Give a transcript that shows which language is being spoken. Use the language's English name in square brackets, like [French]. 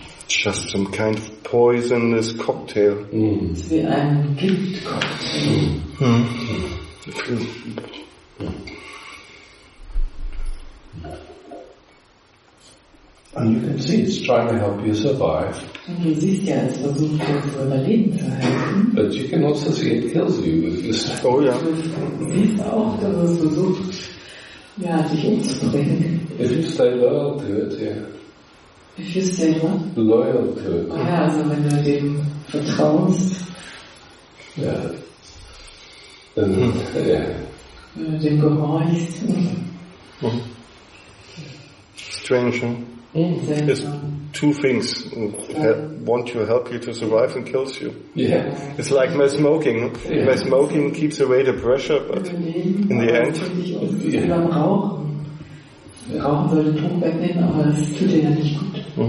[English] Just some kind of poisonous cocktail. And you can see it's trying to help you survive. [German] Und du siehst ja, es versucht dir zu überleben zu helfen. [English] But you can also see it kills you with this. [German] Oh ja. Du siehst auch, dass es versucht, ja, dich umzubringen. [English] If you stay loyal to it, yeah. If you stay what? Loyal to it. [German] Oh ja, also wenn du dem vertraust. Ja. Wenn du dem gehorchst. [English] Strange, huh? There's two things that want to help you to survive and kills you. Yeah. It's like my smoking. Yeah. My smoking keeps away the pressure, but in the end. Yeah. [German] rauchen würde, Druck wegnehmen, aber das tut denen ja nicht gut.